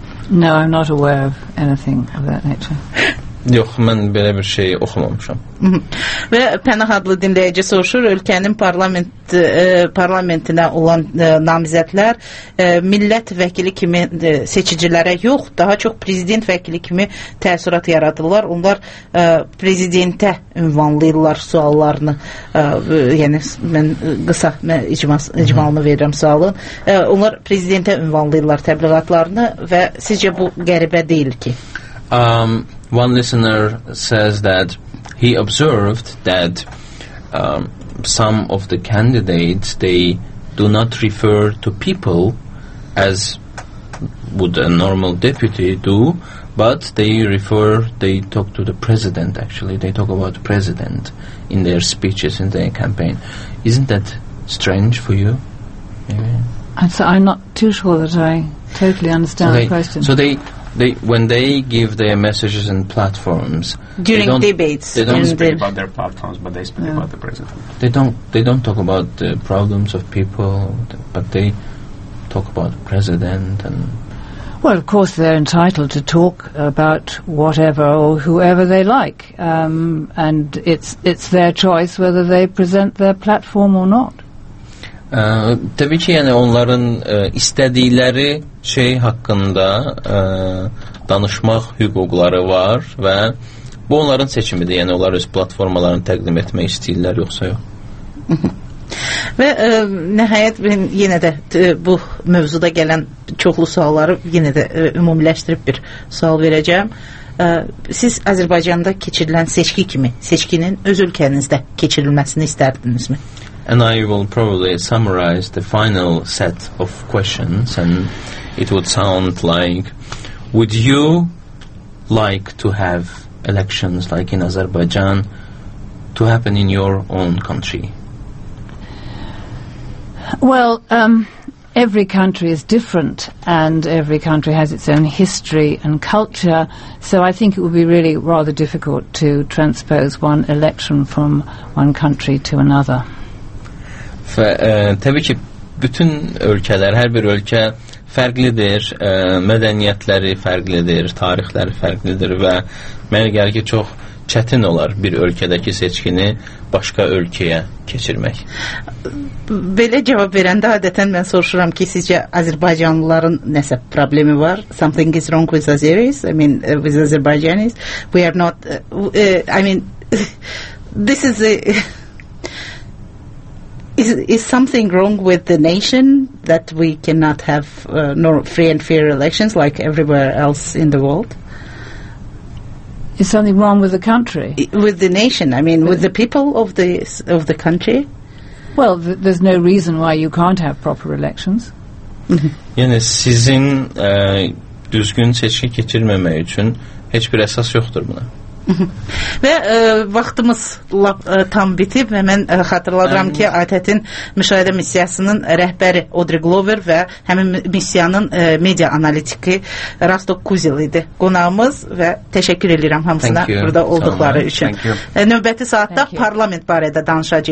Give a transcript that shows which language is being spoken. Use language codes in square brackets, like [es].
[en] No, I'm not aware of anything of that nature. [az] Yox, mən belə bir şey oxumamışam. Və Pənah adlı dinləyici soruşur, ölkənin parlamentinə olan namizədlər millət vəkili kimi seçicilərə yox, daha çox prezident vəkili kimi təəssürat yaradırlar. Onlar prezidentə ünvanlayırlar suallarını. Yəni, mən qısa icmalını verirəm sualın. Onlar prezidentə ünvanlayırlar təbliğatlarını və sizcə bu qəribə deyil ki? [en] One listener says that he observed that some of the candidates, they do not refer to people as would a normal deputy do, but they talk to the president, actually. They talk about the president in their speeches, in their campaign. Isn't that strange for you? I'm not too sure that I totally understand the question. They when they give their messages and platforms during debates, they don't speak about their platforms, but they speak about the president. They don't talk about the problems of people, but they talk about the president. And well, of course, they're entitled to talk about whatever or whoever they like, and it's their choice whether they present their platform or not. [az] Təbii ki, yəni onların istədikləri şey haqqında danışmaq hüquqları var və bu onların seçimidir, yəni onlar öz platformalarını təqdim etmək istəyirlər, yoxsa yox. Və nəhayət yenə də bu mövzuda gələn çoxlu sualları yenə də ümumiləşdirib bir sual verəcəm. Siz Azərbaycanda keçirilən seçki kimi seçkinin öz ölkənizdə keçirilməsini istərdinizmi? [en] And I will probably summarize the final set of questions, and it would sound like, would you like to have elections like in Azerbaijan to happen in your own country? Well, every country is different, and every country has its own history and culture, so I think it would be really rather difficult to transpose one election from one country to another. [az] Və təbii ki, bütün ölkələr, hər bir ölkə fərqlidir, mədəniyyətləri fərqlidir, tarixləri fərqlidir və mənə gəlir ki, çox çətin olar bir ölkədəki seçkini başqa ölkəyə keçirmək? Belə cavab verəndə adətən mən soruşuram ki, sizcə Azərbaycanlıların nəsə problemi var? [en] Something is wrong with Azeris, I mean, with Azerbaijanis. We are not, I mean, this is a... Is something wrong with the nation that we cannot have free and fair elections like everywhere else in the world? Is something wrong with the country? With the nation, I mean, with the people of the country. Well, there's no reason why you can't have proper elections. [az] Yani sizin düzgün seçki keçirməmək üçün heç bir əsas yoxdur buna. Və vaxtımız tam bitib və mən xatırladıram ki, ATƏT-in müşahidə missiyasının rəhbəri Audrey Glover və həmin missiyanın media analitiki Rastok Kuzil idi qonağımız və təşəkkür edirəm hamısına burada olduqları üçün. Növbəti saatda parlament barədə danışacaq.